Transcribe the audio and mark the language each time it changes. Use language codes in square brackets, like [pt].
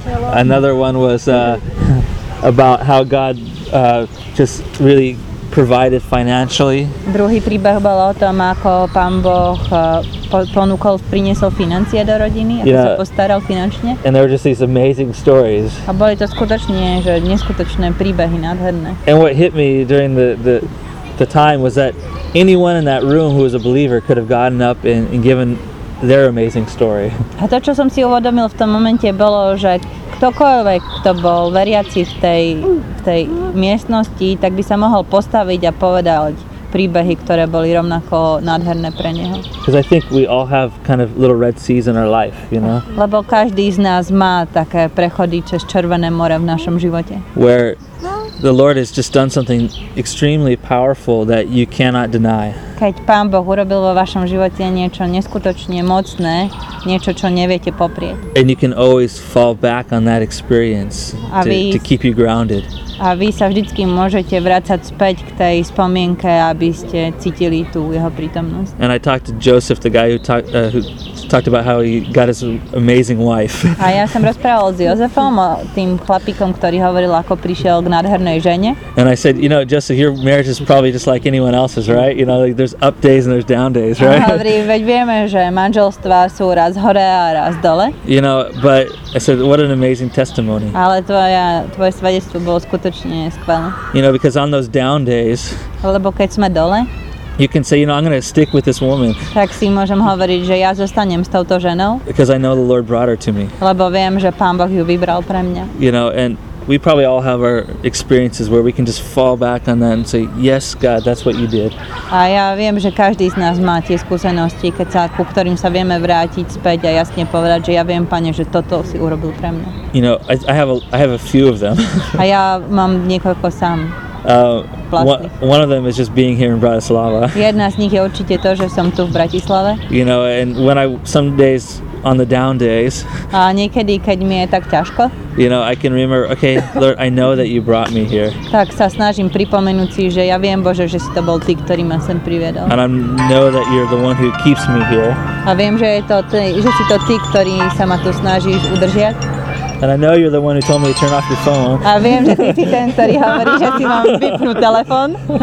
[en] Another one was about how God just really provided financially. [sk] Druhý príbeh bol o tom, ako Pán Boh ponúkol, priniesol financie do rodiny, ako sa postaral finančne. [en] And there were just these amazing stories. [sk] A boli to skutočne, že neskutočné príbehy, nádherné. [en] And what hit me during the time was that anyone in that room who was a believer could have gotten up and given their amazing story. [sk] A to, čo som si uvedomil v tom momente, bolo, že ktokoľvek, kto bol veriaci v tej miestnosti, tak by sa mohol postaviť a povedať príbehy, ktoré boli rovnako nádherné pre neho. [en] Because I think we all have kind of little red seas in our life, you know? [sk] Lebo každý z nás má také prechody cez Červené more v našom živote. [en] Where the Lord has just done something extremely powerful that you cannot deny. [sk] Keď Pán Boh urobil vo vašom živote niečo neskutočne mocné, niečo, čo neviete poprieť. [en] And you can always fall back on that experience to keep you grounded. [sk] A vy sa vždycky môžete vracať späť k tej spomienke, aby ste cítili tú jeho prítomnosť. [en] And I talked to Joseph, the guy who talked about how he got his amazing wife. [sk] A ja som rozprával s Jozefom, tým chlapíkom, ktorý hovoril, ako prišiel k nádhernej žene. [en] And I said, you know, Joseph, your marriage is probably just like anyone else's, right? You know, like there's up days and there's down days, right? [sk] A hovorí, veď vieme, že manželstvá sú raz hore a raz dole. [en] You know, but I said, what an amazing testimony. [sk] Ale tvoje svedectvo bolo skutočne skvelé. [en] You know, because on those down days, [sk] lebo keď sme dole, [en] you can say, you know, I'm going to stick with this woman. [sk] Tak si môžem hovoriť, že ja zostanem s touto ženou. [en] Because I know the Lord brought her to me. [sk] Lebo viem, že Pán Boh ju vybral pre mňa. [en] You know, and we probably all have our experiences where we can just fall back on that and say, yes, God, that's what you did. [sk] A ja viem, že každý z nás má tie skúsenosti, keď sa ku ktorým sa vieme vrátiť späť a jasne povedať, že ja viem, Pane, že toto si urobil pre mňa. [en] You know, I have a few of them. [sk] A ja mám niekoľko sám. [en] One of them is just being here in Bratislava. [sk] Jedna z nich je určite to, že som tu v Bratislave. [en] You know, and when I some days on the down days. [sk] A niekedy, keď mi je tak ťažko. [en] You know, I can remember, okay, Lord, I know that you brought me here. [sk] Tak sa snažím pripomenúť si, že ja viem, Bože, že si to bol ty, ktorý ma sem priviedol. [en] And I know that you're the one who keeps me here. [sk] A viem, že je to ty, že si to ty, ktorý sa ma tu snažíš udržiať. [en] And I know you're the one who told me to turn off your phone. [sk] A viem, že ty si ten, ktorý hovorí, že si mám vypnúť telefón.